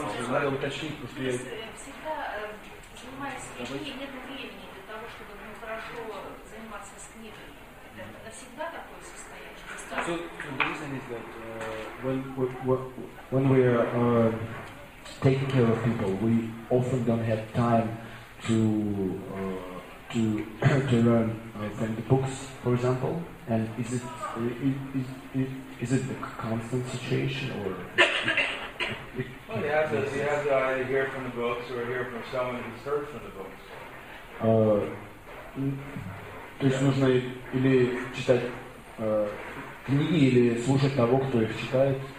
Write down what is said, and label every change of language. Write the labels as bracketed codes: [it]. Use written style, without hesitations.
[ru] Надо уточнить, потому что я всегда занимаюсь книгой, нет времени для того, чтобы хорошо заниматься с книгой. Это всегда такое состояние. [en] So the reason is that when we are taking care of people, we often don't have time to to learn from the books, for example? And is it a constant situation or? Well, you have to either hear from the books or hear from someone who's heard from the books. [ru] То есть нужно или читать книги, или слушать того, кто их читает.